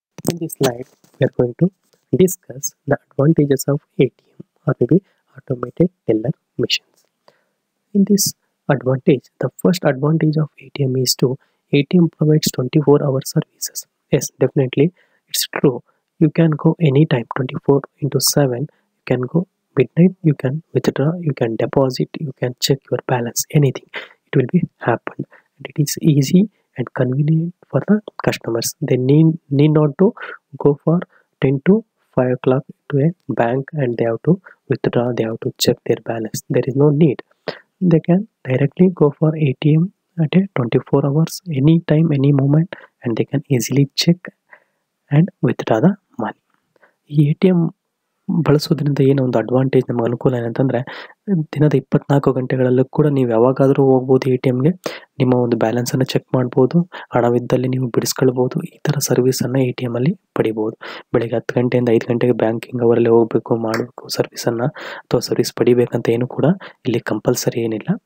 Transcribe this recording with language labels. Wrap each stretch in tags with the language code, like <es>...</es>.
<en>In this slide we are going to discuss the advantages of A T M or maybe automated teller machines. In this advantage, the first advantage of A T M is to A T M provides 24-hour services. Yes, definitely it's true. You can go anytime, 24/7, you can go midnight, you can withdraw, you can deposit, you can check your balance, anything, it will be happened. And it is easy and convenient for the customers. They need not to go for 10 to 5 o'clock to a bank and they have to withdraw, they have to check their balance. There is no need. They can directly go for ATM at a 24 hours, any time, any moment, and they can easily check and withdraw the money.</en> <kn>A T M ಬಳಸೋದ್ರಿಂದ ಏನೋ ಒಂದು advantage ನಮಗೆ ಅನುಕೂಲ ಏನಂತಂದರೆ, ದಿನದ 24 ಗಂಟೆಗಳಲ್ಲೂ ಕೂಡ ನೀವು ಯಾವಾಗಾದರೂ ಹೋಗ್ಬೋದು ಎ ಟಿ ಎಮ್ಗೆ, ನಿಮ್ಮ ಒಂದು ಬ್ಯಾಲೆನ್ಸನ್ನು ಚೆಕ್ ಮಾಡ್ಬೋದು, ಹಣವಿದ್ದಲ್ಲಿ ನೀವು ಬಿಡಿಸ್ಕೊಳ್ಬೋದು. ಈ ಥರ ಸರ್ವಿಸನ್ನು ಎ ಟಿ ಎಮ್ಮಲ್ಲಿ ಪಡಿಬೋದು. ಬೆಳಿಗ್ಗೆ 10-5 ಗಂಟೆಗೆ ಬ್ಯಾಂಕಿಂಗ್ ಅವರಲ್ಲಿ ಹೋಗಬೇಕು ಮಾಡಬೇಕು ಸರ್ವಿಸನ್ನು ಅಥವಾ ಸರ್ವಿಸ್ ಪಡಿಬೇಕಂತ ಏನು ಕೂಡ ಇಲ್ಲಿ ಕಂಪಲ್ಸರಿ ಏನಿಲ್ಲ.</kn>